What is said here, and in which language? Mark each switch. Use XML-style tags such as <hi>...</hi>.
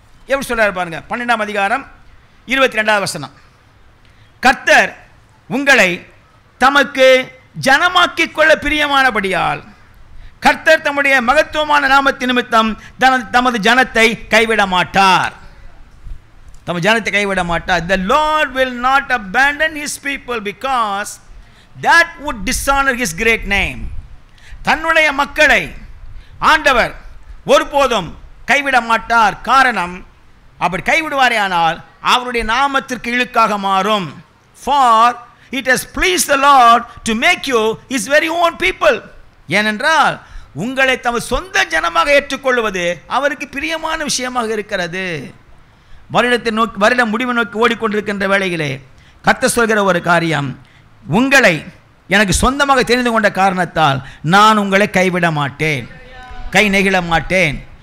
<ta>எப்படி சொல்கிறார் பாருங்க, 12:22. கர்த்தர் உங்களை தமக்கு ஜனமாக்கிக் கொள்ள பிரியமானபடியால் கர்த்தர் தம்முடைய மகத்துவமான நாமத்தின் நிமித்தம் தமது ஜனத்தை கைவிட மாட்டார். தம் ஜனத்தை கைவிட மாட்டார்.</ta> <en>The Lord will not abandon his people because that would dishonor his great name.</en> <ta>தன்னுடைய மக்களை ஆண்டவர் ஒருபோதும் கைவிட மாட்டார். காரணம், அப்படி கைவிடுவாரேயானால் அவருடைய நாமத்திற்கு இழுக்காக மாறும்.</ta> <en>For it has pleased the Lord to make you his very own people.</en> <ta>ஏனென்றால் உங்களை தம் சொந்த ஜனமாக ஏற்றுக்கொள்வது அவருக்கு பிரியமான விஷயமாக இருக்கிறது. வருடத்தை நோக்கி, வருடம் முடிவை நோக்கி ஓடிக்கொண்டிருக்கின்ற வேளையிலே கர்த்தர் சொல்கிற ஒரு காரியம், உங்களை எனக்கு சொந்தமாக தெரிந்து கொண்ட காரணத்தால் நான் உங்களை கைவிட மாட்டேன், கை நெகிழ மாட்டேன்.</ta>